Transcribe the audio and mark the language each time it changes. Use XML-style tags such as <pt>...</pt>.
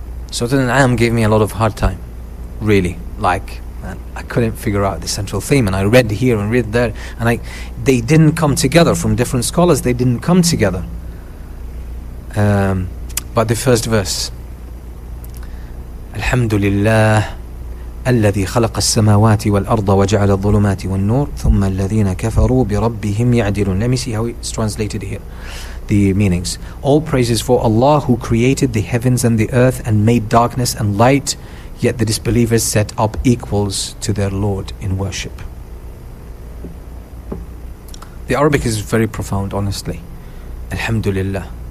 <en>Surah Al-An'am gave me a lot of hard time. Really, like, man, I couldn't figure out the central theme, and I read here and read there, and they didn't come together. From different scholars, they didn't come together. But the first verse,</en> <ar>Alhamdulillah, الذي خلق السماوات والأرض وجعل الظلمات والنور ثم الذين كفروا بربهم يعدلون.</ar> <en>Let me see how it's translated here. The meanings. All praises for Allah who created the heavens and the earth and made darkness and light. Yet the disbelievers set up equals to their Lord in worship. The Arabic is very profound, honestly. Alhamdulillah.</en>